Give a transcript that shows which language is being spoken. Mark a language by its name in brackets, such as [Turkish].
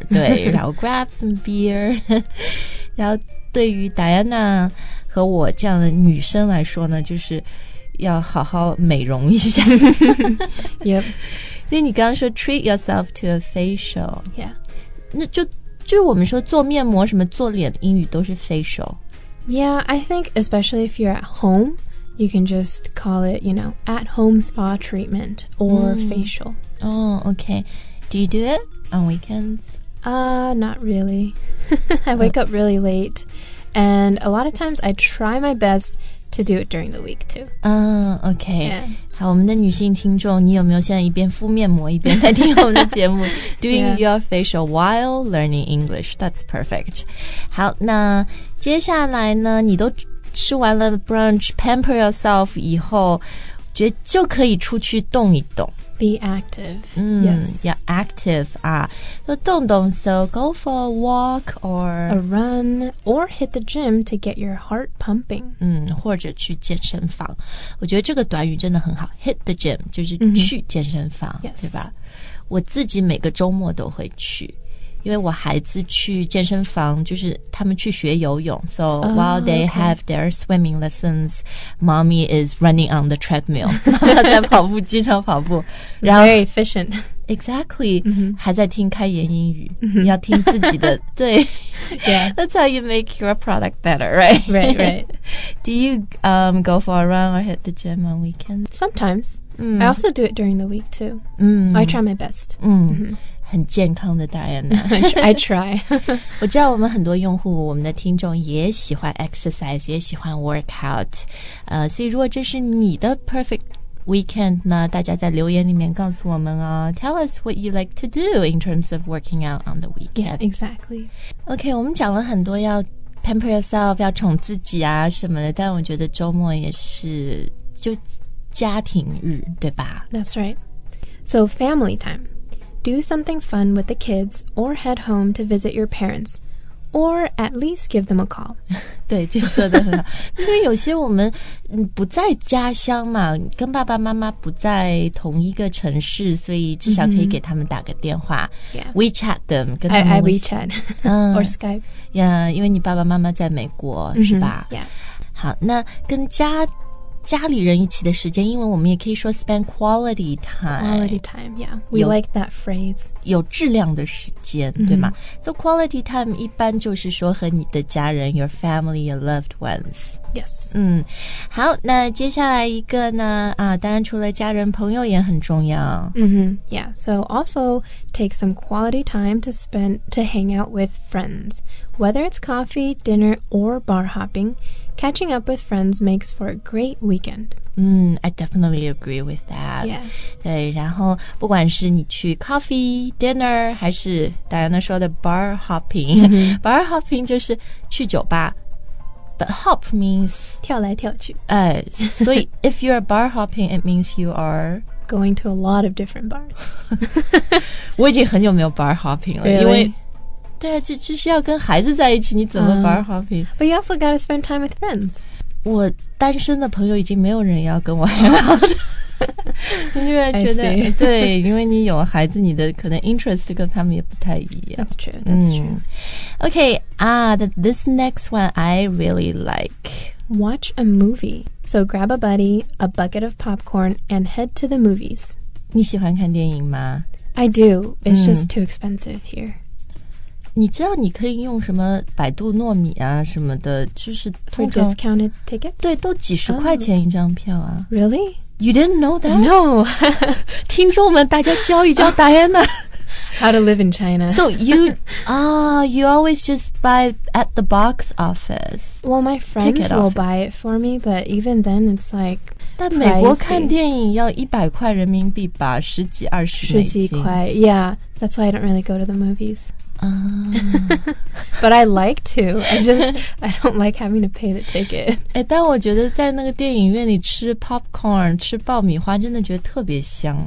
[Chinese] 对，然后 [English] grab some beer。 [Chinese] 然后对于 Diana 和我这样的女生来说呢，就是要好好美容一下。 [English] yep。 [Chinese] 所以你刚刚说 [English] treat yourself to a facial。 Yeah。 [Chinese] 那就我们说做面膜什么做脸英语都是 facial。 [English] Yeah, I think especially if you're at home, you can just call it, you know, at home spa treatment or facial. Oh, okay. Do you do it on weekends? Not really. I wake up really late. And a lot of times I try my bestTo do it during the week too. OK. Yeah. [Chinese] 好，我们的女性听众，你有没有现在一边敷面膜一边在听我们的节目？ [English] Doing、yeah. your facial while learning English. That's perfect. [Chinese] 好，那接下来呢？你都吃完了 brunch, [English] pamper yourself [Chinese] 以后，觉得就可以出去动一动。 [English] Be active. Yes. Yeah, active. [Chinese] 啊，就动动。 [English] So go for a walk or a run or hit the gym to get your heart pumping. [Chinese] 或者去健身房。我觉得这个短语真的很好。 [English] Hit the gym [Chinese] 就是去健身房、 mm-hmm. 对吧？我自己每个周末都会去，因为我孩子去健身房，就是他们去学游泳。 [English] So while they、okay. have their swimming lessons, mommy is running on the treadmill. [Chinese] 妈妈在跑步机上跑步。然后 [English] very efficient. Exactly.、Mm-hmm. [Chinese] 还在听开言英语、mm-hmm. 要听自己的。对。 [English] Yeah. That's how you make your product better, right? Right, right. Do you、go for a run or hit the gym on weekends? Sometimes.、Mm. I also do it during the week, too.、 Mm. I try my best. [Chinese] Mm-hmm. Mm-hmm. 很健康的 Diana [English] I try [Chinese] 我知道我们很多用户我们的听众也喜欢 exercise 也喜欢 workout、所以如果这是你的 perfect weekend 呢，大家在留言里面告诉我们、哦、 [English] Tell us what you like to do in terms of working out on the weekend yeah, Exactly [Chinese] OK 我们讲了很多要 [English] pamper yourself [Chinese] 要宠自己啊什么的但我觉得周末也是就家庭日对吧 [English] That's right So family timeDo something fun with the kids or head home to visit your parents or at least give them a call. [Chinese] 对就说得很好因为有些我们不在家乡嘛跟爸爸妈妈不在同一个城市所以至少可以给他们打个电话、 mm-hmm. [English] WeChat them. I WeChat or Skype. [Chinese] Yeah, 因为你爸爸妈妈在美国、 mm-hmm. 是吧、 [English] yeah. [Chinese] 好那跟家里人一起的时间因为我们也可以说 [English] spend quality time quality time yeah we like that phrase [Chinese] 有质量的时间、mm-hmm. 对吗 so quality time 一般就是说和你的家人 [English] your family your loved ones yes [Chinese] 好那接下来一个呢啊，当然除了家人朋友也很重要、 mm-hmm. [English] yeah so also take some quality time to hang out with friends whether it's coffee dinner or bar hoppingCatching up with friends makes for a great weekend. I definitely agree with that. Yeah. [Chinese] 对，然后不管是你去 coffee, dinner, 还是 Diana 说的 bar hopping,、 mm-hmm. bar hopping 就是去酒吧。 [English] But hop means... [Chinese] 跳来跳去。 [English] 所以if you're bar hopping, it means you are... Going to a lot of different bars. [Chinese] 我已经很久没有 bar hopping 了、 [English] really? [Chinese] 因为对啊就是要跟孩子在一起你怎么 bar hopping? [English] But you also gotta spend time with friends. [Chinese] 我单身的朋友已经没有人要跟我 hang out. 因为觉得对因为你有孩子你的可能 interest 跟他们也不太一样。 [English] That's true, that's true. Okay, this next one I really like. Watch a movie. So grab a buddy, a bucket of popcorn, and head to the movies. [Chinese] 你喜欢看电影吗? [English] I do. It's just too expensive here. [Chinese] 你知道你可以用什么百度糯米啊什么的就是通常 [English] For discounted tickets? [Chinese] 对都几十块钱一张票啊、 [English] oh, Really? You didn't know that? No [Chinese] 听众们大家教一教 Diana [English] How to live in China So you always just buy at the box office Well my friends will office. Buy it for me But even then it's like [Chinese] 但美国看电影要100块人民币吧十几二十美金十几块 [English] Yeah That's why I don't really go to the moviesBut I like to. I don't like having to pay the ticket. [Chinese] 哎，但我觉得在那个电影院里吃 popcorn, 吃爆米花真的觉得特别香。